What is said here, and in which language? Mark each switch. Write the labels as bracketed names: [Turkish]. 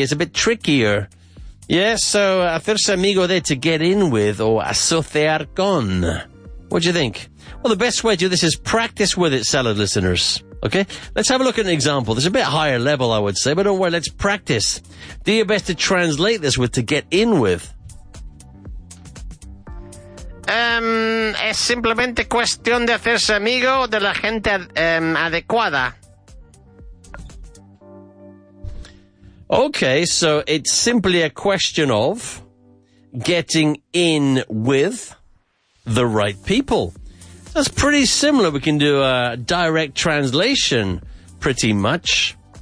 [English] It's a bit trickier. Yeah, so [Spanish] hacerse amigo de, [English] to get in with, [Spanish] o asociar con. [English] What do you think? Well, the best way to do this is practice with it, salad listeners. Okay, let's have a look at an example. There's a bit higher level, I would say, but don't worry, let's practice. Do your best to translate this with to get in with. [Spanish] Es simplemente cuestión de hacerse amigo de la gente adecuada. [English] Okay, so it's simply a question of getting in with the right people. That's pretty similar. We can do a direct translation, pretty much.